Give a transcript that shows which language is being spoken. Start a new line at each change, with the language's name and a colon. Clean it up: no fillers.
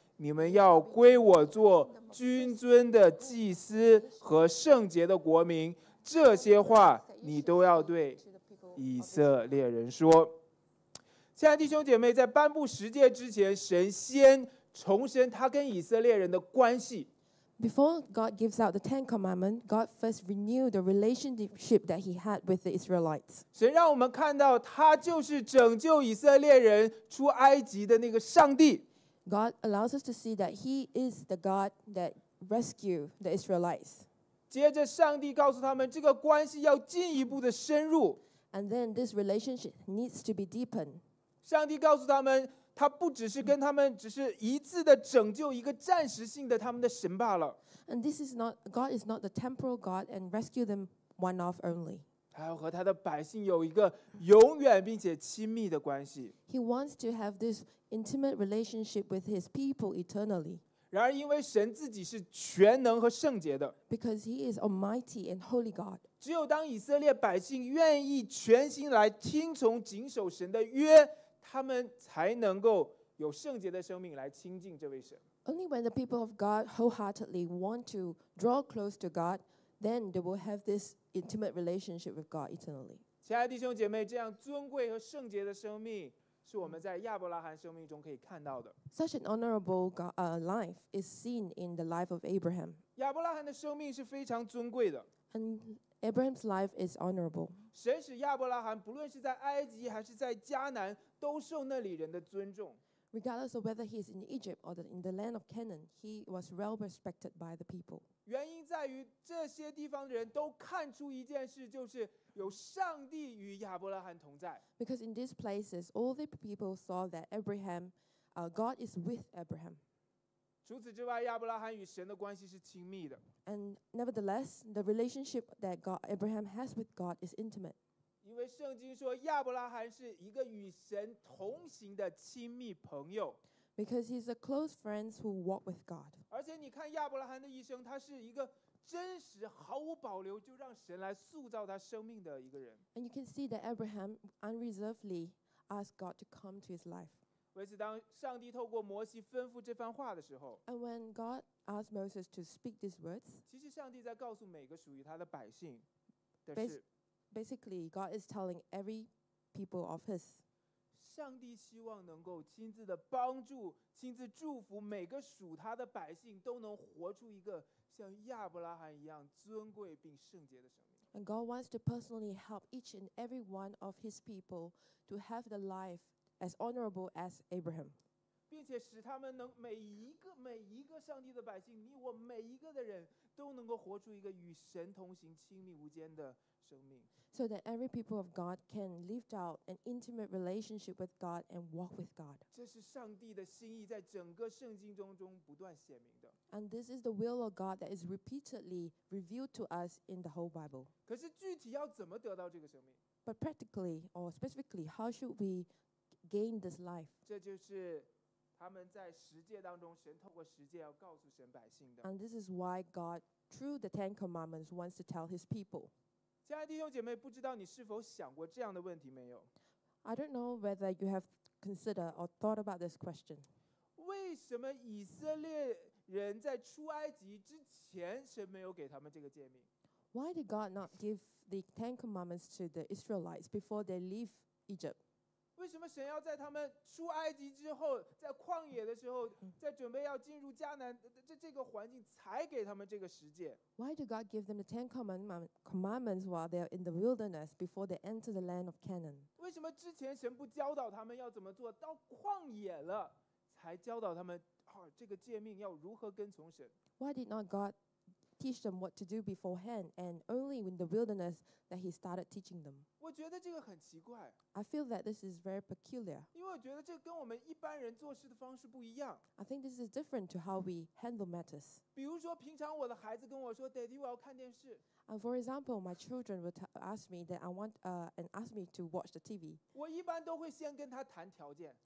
Chinese: 你们要归我做君尊的祭司和圣洁的国民。这些话你都要对以色列人说。亲爱的弟兄姐妹，在颁布十诫之前，神先重申他跟以色列人的关系。
English: Before God gives out the Ten Commandments, God first renewed the relationship that He had with the Israelites.
Chinese: 神让我们看到他就是拯救以色列人出埃及的那个上帝。
English: God allows us to see that He is the God that rescued the Israelites.
Chinese: 接着上帝告诉他们这个关系要进一步的深入。
English: And then this relationship needs to be deepened.
Chinese: 上帝告诉他们他不只是跟他们只是一次的拯救一个暂时性的他们的神罢了。
English: And this is not God is not the temporal God and rescue them one off only.
Chinese: 他要和他的百姓有一个永远并且亲密的关系。
English: He wants to have this intimate relationship with his people eternally.
Chinese: 然而，因为神自己是全能和圣洁的。
English: Because he is almighty and holy God.
Chinese: 只有当以色列百姓愿意全心来听从谨守神的约。他们才能够有圣洁的生命来亲近这位神。
English: Only when the people of God wholeheartedly want to draw close to God, then they will have this intimate relationship with God eternally.
Chinese: 亲爱的弟兄姐妹，这样尊贵和圣洁的生命是我们在亚伯拉罕生命中可以看到的。
English: Such an honorable life is seen in the life of Abraham.
Chinese: 亚伯拉罕的生命是非常尊贵的。
English: And Abraham's life is honorable.
Chinese: 神使亚伯拉罕不论是在埃及还是在迦南。都受那里人的尊重。
English: Regardless of whether he is in Egypt or in the land of Canaan, he was well respected by the people.
Chinese: 原因在于这些地方的人都看出一件事，就是有上帝与亚伯拉罕同在。
English: Because in these places, all the people saw that Abraham, God is with Abraham.
Chinese: 除此之外，亚伯拉罕与神的关系是亲密的。
English: And nevertheless, the relationship that God, Abraham has with God is intimate.
Chinese: 因为圣经说亚伯拉罕是一个与神同行的亲密朋友。
English: Because he's a close friend who walked with God.
Chinese: 而且你看亚伯拉罕的一生，他是一个真实毫无保留就让神来塑造他生命的一个人。
English: And you can see that Abraham unreservedly asked God to come to his life.
Chinese: 为此，当上帝透过摩西吩咐这番话的时候
English: ，And when God asked Moses to speak these words,
Chinese: 其实上帝在告诉每个属于他的百姓的事。
English: Basically, God is telling every people of His.
Chinese: 上帝希望能够亲自的帮助、亲自祝福每个属他的百姓，都能活出一个像亚伯拉罕一样尊贵并圣洁的生命。
English: And God wants to personally help each and every one of His people to have the life as honorable as Abraham.
Chinese: 并且使他们能每一个每一个上帝的百姓，你我每一个的人都能够活出一个与神同行、亲密无间的生命。
English: So that every people of God can live out an intimate relationship with God and walk with God.
Chinese: 这是上帝的心意，在整个圣经中不断显明的。
English: And this is the will of God that is repeatedly revealed to us in the whole Bible.
Chinese: 可是具体要怎么得到这个生命
English: ？But practically or specifically, how should we gain this life?
Chinese: 这就是他们在十诫当中，神透过十诫要告诉神百姓的。
English: And this is why God, through the Ten Commandments, wants to tell His people.
Chinese: 亲爱的弟兄姐妹，不知道你是否想过这样的问题没有
English: ？I don't know whether you have considered or thought about this question.
Chinese: 为什么以色列人在出埃及之前，神没有给他们这个诫命
English: ？Why did God not give the Ten Commandments to the Israelites before they leave Egypt？
Chinese: 为什么神要在他们出埃及之后，在旷野的时候，在准备要进入迦南这个环境，才给他们这个十诫
English: ？Why did God give them the Ten Commandments while they are in the wilderness before they enter the land of Canaan？
Chinese: 为什么之前神不教导他们要怎么做，到旷野了才教导他们啊这个诫命要如何跟从神
English: ？Why did not God teach them what to do beforehand, and only in the wilderness that he started teaching them?
Chinese: 我觉得这个很奇怪。
English: I feel that this is very peculiar.
Chinese: 因为我觉得这跟我们一般人做事的方式不一样。
English: I think this is different to how we handle matters.
Chinese: 比如说，平常我的孩子跟我说 ，Daddy, 我要看电视。
English: And for example, my children would ask me that I want and ask me to watch the TV.
Chinese: 我一般都会先跟他谈条件。